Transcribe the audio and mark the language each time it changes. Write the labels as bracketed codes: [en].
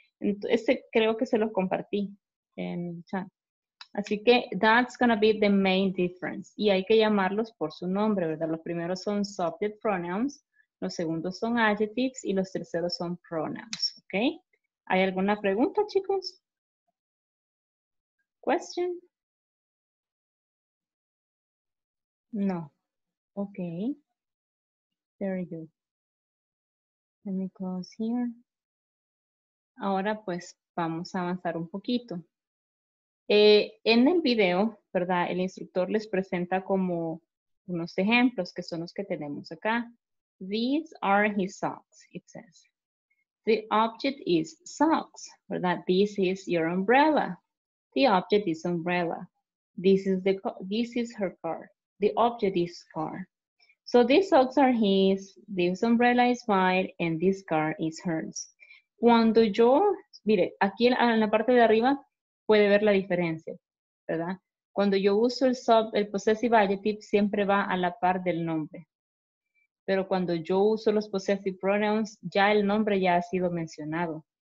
[es] Entonces, este creo que se los compartí en el chat. Así que [en] that's going to be the main difference. [es] Y hay que llamarlos por su nombre, ¿verdad? Los primeros son subject pronouns, los segundos son adjectives y los terceros son pronouns. ¿Ok? ¿Hay alguna pregunta, chicos? Question? [en] No. Okay. Very good. Let me close here. [es] Ahora, pues, vamos a avanzar un poquito. En el video, ¿verdad? El instructor les presenta como unos ejemplos que son los que tenemos acá. [en] These are his socks, it says. The object is socks, ¿verdad? This is your umbrella. The object is umbrella. This is her car. The object is car. So these socks are his, this umbrella is mine, and this car is hers. [es] Cuando yo, mire, aquí en la parte de arriba puede ver la diferencia, ¿verdad? Cuando yo uso el sub, el possessive adjective siempre va a la par del nombre. Pero cuando yo uso los possessive pronouns, ya el nombre ya ha sido mencionado.